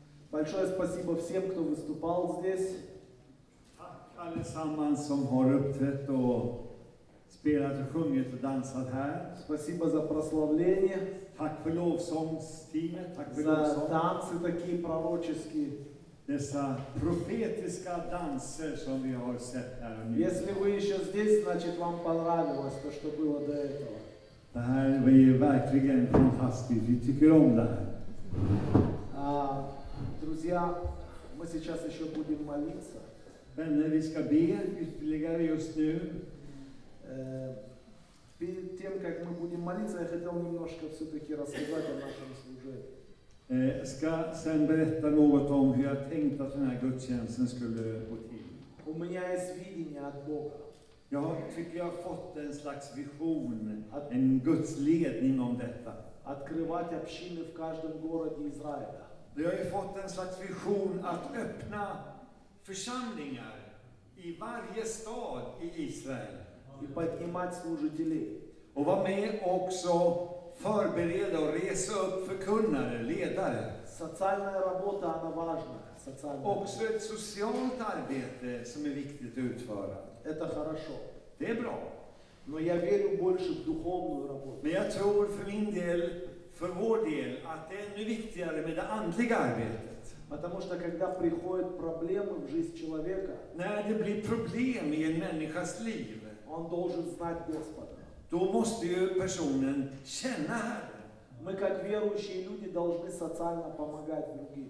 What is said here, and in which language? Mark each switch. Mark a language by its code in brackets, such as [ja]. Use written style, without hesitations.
[ru] Большое спасибо всем, кто выступал здесь. [sv] Allesammans som har uppträtt och spelat och sjungit och dansat här. [ru] Спасибо за прославление. [sv] Tack för lovsångsteamet. Tack för lovsången. [ru] Такие пророческие. [sv] Dessa profetiska danser som vi har sett här nu. [ru] Если вы еще здесь, значит вам понравилось то, что было до этого. [sv] Det här är verkligen fantastiskt. Vi tycker om det här. [ru] Друзья, мы сейчас еще будем молиться. [sv] Vänner, vi ska be ytterligare just nu. [ru] Перед тем, как мы будем молиться, я хотел немножко все-таки рассказать о нашем служении. [sv] Ska sen berätta något om hur jag tänkt att den här gudstjänsten skulle gå till. [ru] У меня есть видение от Бога. [sv] Jag tycker jag har fått en slags vision, en Guds ledning om detta. [ru] Открывать общины в каждом городе Израиля. [sv] Jag har fått en slags vision att öppna församlingar i varje stad i Israel. [ru] И поднимать служителей. [sv] Och vara med också förbereda och resa upp förkunnare, ledare. [ru] Социальная работа, она важна. [sv] Också ett socialt arbete som är viktigt att utföra. [ru] Это хорошо. [sv] Det är bra. [ru] Но я верю больше в духовную работу. [sv] Men jag tror för min del, för vår del, att det är ännu viktigare med det andliga arbetet. [ru] Потому что когда приходят проблемы в жизнь человека, [sv] när det blir problem i en människas liv, [ru] он должен знать Господа. [sv] Då måste ju personen känna Herren. [ru] Мы как верующие люди должны социально помогать другим.